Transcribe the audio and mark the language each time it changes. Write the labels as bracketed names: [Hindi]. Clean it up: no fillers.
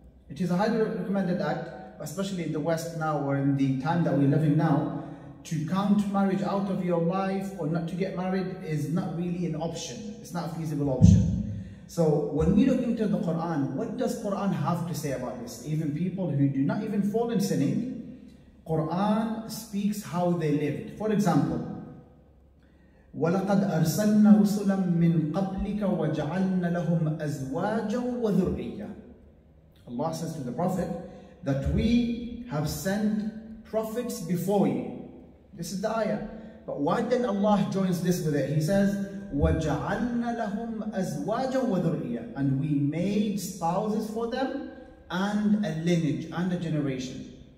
[English] It is a highly recommended act, especially in the West now, or in the time that we live in now, to count marriage out of your life or not to get married is not really an option. It's not a feasible option. So when we look into the Quran, what does Quran have to say about this? Even people who do not even fall in sinning, Quran speaks how they lived. [Arabic] For example, وَلَقَدْ أَرْسَلْنَا رُسُلًا مِّن قَبْلِكَ وَجَعَلْنَا لَهُمْ أَزْوَاجًا وَذُرِّيَّةً. [English] Allah says to the Prophet that we have sent prophets before you. This is the ayah. But why then Allah joins this with it? He says, وَجَعَلْنَا لَهُمْ أَزْوَاجًا وَذُرِّيَّةً. And we made spouses for them and a lineage and a generation.